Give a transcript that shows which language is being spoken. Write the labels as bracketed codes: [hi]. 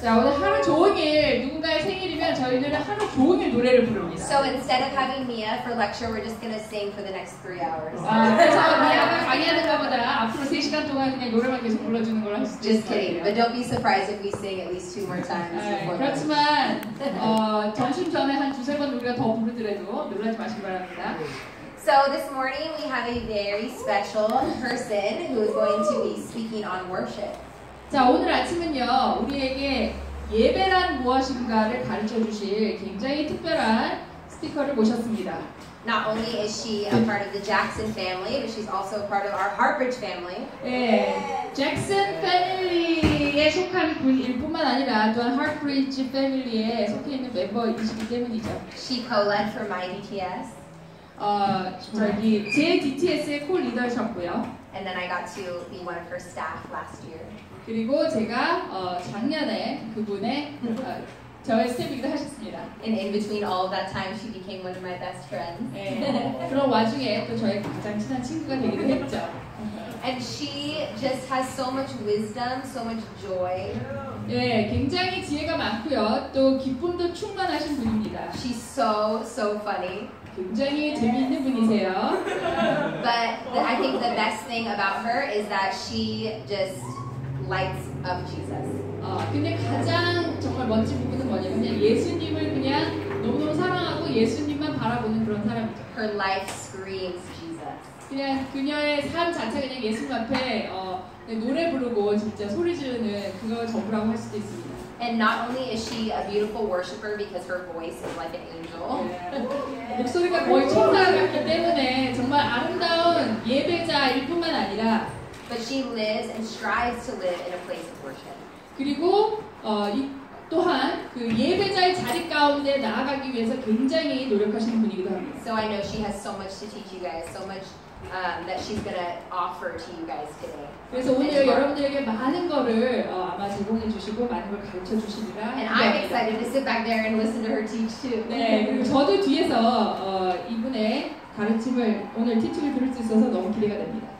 [ko] 자, 오늘 하루 종일 누군가의 생일이면 저희들은 하루 종일 노래를 부릅니다. [en] So instead of having Mia for lecture, we're just gonna sing for the next 3 hours. [ko] 아, 그래서 Mia가 강의하는 것보다 앞으로 3시간 동안 그냥 노래만 계속 불러주는 걸 할 수 있을 것 같아요. [en] Just kidding. But don't be surprised if we sing at least 2 more times. [ko] 네, 그렇지만 점심 전에 한 두세 번 우리가 더 부르더라도 놀라지 마시기 바랍니다. [en] So this morning we have a very special person who is going to be speaking on worship. [ko] 자, 오늘 아침은요, 우리에게 예배란 무엇인가를 가르쳐 주실 굉장히 특별한 스피커를 모셨습니다. [en] Not only is she a part of the Jackson family, but she's also a part of our Heartbridge family. [ko] 예, Jackson family에 속한 분일 뿐만 아니라 또한 Heartbridge family에 속해 있는 멤버이시기 때문이죠. [en] She co-led for my DTS. [ko] 저기 제 DTS의 코 리더셨고요. [en] And then I got to be one of her staff last year. [ko] 그리고 제가 작년에 그분의 저의 스텝이기도 하셨습니다. [en] And in between all of that time, she became one of my best friends. [ko] 네. 그런 와중에 또 저의 가장 친한 친구가 되기도 했죠. [en] And she just has so much wisdom, so much joy. [ko] 예, 굉장히 지혜가 많고요. 또 기쁨도 충만하신 분입니다. [en] She's so, so funny. [ko] 굉장히 재미있는 분이세요. [en] But I think the best thing about her is that she just lights up Jesus. [ko] 근데 가장 정말 멋진 부분은 뭐냐면 그냥 예수님을 그냥 너무너무 사랑하고 예수님만 바라보는 그런 사람이죠. [en] Her life screams Jesus. [ko] 그냥 그녀의 삶 자체가 그냥 예수님 앞에 노래 부르고 진짜 소리 지르는 그걸 전부라고 할 수도 있습니다. [en] And not only is she a beautiful worshiper because her voice is like an angel. [ko] 목소리가 거의 천사같기 때문에 정말 아름다운 예배자일 뿐만 아니라 [en] But she lives and strives to live in a place of worship. [ko] 그리고 또한 그 예배자의 자리 가운데 나아가기 위해서 굉장히 노력하시는 분이기도 합니다. [en] So I know she has so much to teach you guys, so much that she's gonna offer to you guys today. [ko] 그래서 오늘 well. 여러분들에게 많은 거를 아마 제공해 주시고 많은 걸 가르쳐 주시리라. [en] And I'm excited to sit back there and listen to her teach too. [ko] 네, 그리고 저도 뒤에서 이분의 가르침을 오늘 티칭을 들을 수 있어서 너무 기대가 됩니다.